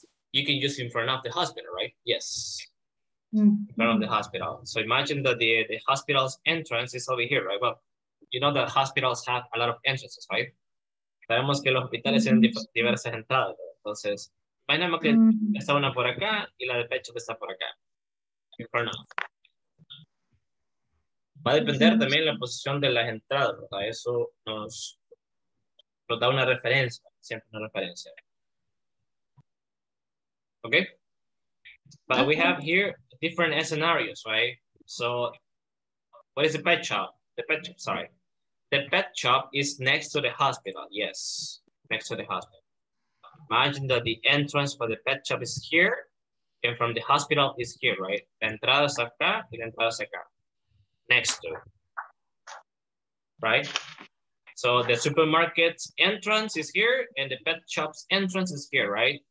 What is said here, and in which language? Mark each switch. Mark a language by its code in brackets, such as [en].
[en] You can use in front of the hospital, right? Yes, in front of the hospital. So imagine that the hospital's entrance is over here, right? Well, you know that hospitals have a lot of entrances, right? [es] Sabemos que los hospitales tienen diversas entradas, ¿no? Entonces, imaginemos que está una por acá y la de pet shop está por acá. [en] In front of. [es] Va a depender también la posición de las entradas, ¿no? Eso nos da una referencia, siempre una referencia. [en] Okay? But we have here different scenarios, right? So, what is the pet shop? The pet shop is next to the hospital. Yes, next to the hospital. Imagine that the entrance for the pet shop is here, and from the hospital is here, right? [es] La entrada es acá y la entrada es acá. [en] Next to. Right? So the supermarket's entrance is here and the pet shop's entrance is here, right?